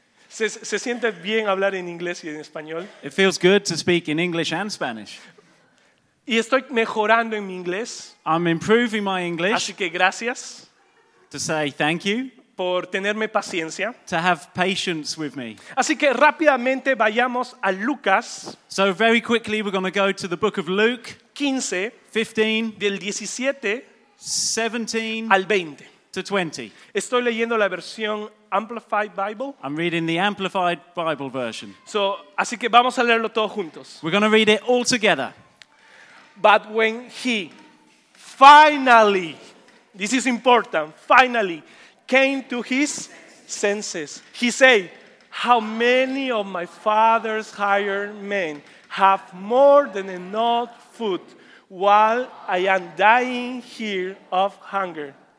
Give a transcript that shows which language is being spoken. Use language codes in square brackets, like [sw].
[es] ¿Se siente bien hablar en inglés y en español? [en] It feels good to speak in English and Spanish. [es] Y estoy mejorando en mi inglés. [en] I'm improving my English. [es] Así que gracias. [en] To say thank you. [es] Por tenerme paciencia. [en] To have patience with me. [es] Así que rápidamente vayamos a Lucas. [en] So very quickly we're going to go to the book of Luke. 15. 15. [es] Del 17. 17. Al 20. [en] To 20. [es] Estoy leyendo la versión Amplified Bible. [en] I'm reading the Amplified Bible version. [es] So, así que vamos a leerlo todos juntos. [en] We're going to read it all together. But when he finally, this is important, finally came to his senses, he said, how many of my father's hired men have more than enough food while I am dying here of hunger.